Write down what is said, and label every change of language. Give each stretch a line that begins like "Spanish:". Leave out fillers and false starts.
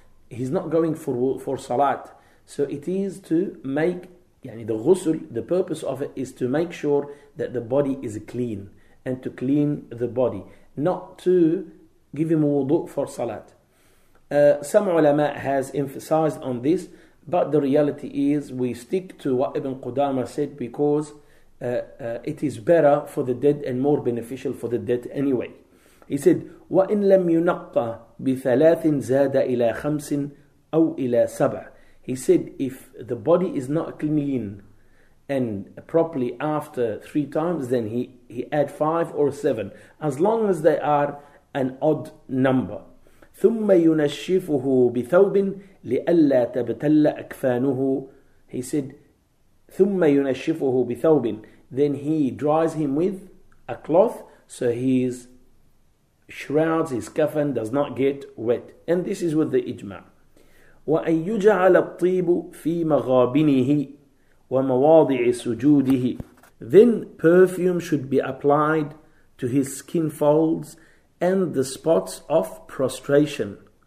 English: He's not going for salat. So it is to make, yani the ghusl, the purpose of it is to make sure that the body is clean and to clean the body, not to give him wudu for salat. Some ulama has emphasized on this, but the reality is we stick to what Ibn Qudama said, because it is better for the dead and more beneficial for the dead anyway. He said,
Arabic: وَإِن لَمْ يُنَقَّى بِثَلَاثٍ زَادَ إِلَىٰ خَمْسٍ أَوْ إِلَىٰ سَبْعٍ.
English: He said, if the body is not clean and properly after three times, then he add five or seven, as long as they are an odd number.
Arabic: ثُمَّ يُنَشِّفُهُ بِثَوْبٍ لِأَلَّا تَبْتَلَّ أَكْفَانُهُ.
English: He said,
Arabic: ثُمَّ يُنَشِّفُهُ بِثَوْبٍ.
English: Then he dries him with a cloth, so his shrouds, his kafan, does not get wet. And this is with the ijma.
Arabic: وَأَنْ يُجَعَلَ الطِّيبُ فِي مَغَابِنِهِ وَمَوَاضِعِ سُجُودِهِ.
English: Then perfume should be applied to his skin folds and the spots of prostration.